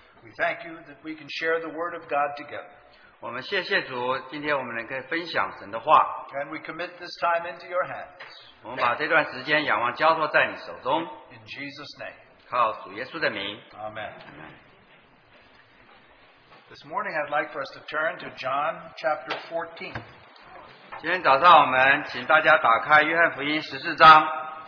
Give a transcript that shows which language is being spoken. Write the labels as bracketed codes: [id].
[en] We thank you that we can share the Word of God together. [zh] 我们谢谢主,今天我们能够分享神的话。 [en] And we commit this time into your hands. [zh] 我们把这段时间仰望交托在你手中。 [en] In Jesus' name. [zh] 靠主耶稣的名。 [en] Amen. This morning I'd like for us to turn to John chapter 14. [zh] 今天早上我们请大家打开约翰福音14章。